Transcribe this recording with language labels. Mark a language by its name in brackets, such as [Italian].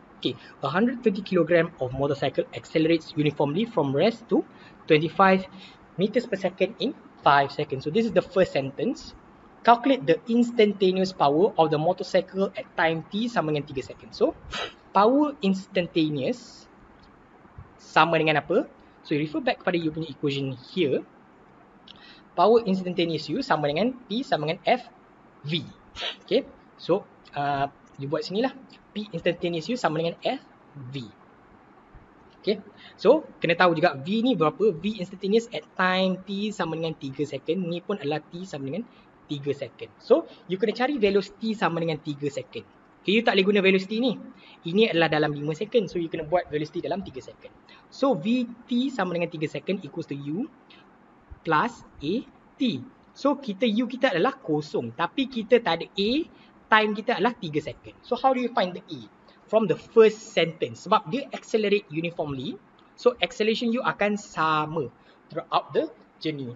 [English] Okay, 130 kilogram of motorcycle accelerates uniformly from rest to 25 meters per second in 5 seconds. So this is the first sentence. Calculate the instantaneous power of the motorcycle at time t [Malay] sama dengan [English] 3 seconds. So, power instantaneous [Malay] sama dengan apa? [English] So, refer back kepada you punya equation here. Power instantaneous u sama dengan p sama dengan fv. Okay, so [Malay] you buat sini lah. [English] P instantaneous u sama dengan fv. Okay, so [Malay] kena tahu juga v ni berapa. [English] V instantaneous at time t sama dengan 3 second. [Malay] Ni pun adalah t sama dengan 3 second. So, [English] you kena cari velocity [Malay] sama dengan 3 second. Okay, you tak boleh guna velocity ni. Ini adalah dalam 5 second. So, you kena buat velocity dalam 3 second. [English] So, vt sama dengan 3 second equals to u plus at. [Malay] So, kita u kita adalah kosong. Tapi kita tak ada a, time kita adalah 3 second. [English] So, how do you find the a? From the first sentence. [Malay] Sebab dia [English] accelerate uniformly. So, acceleration u [Malay] akan sama [English] throughout the journey.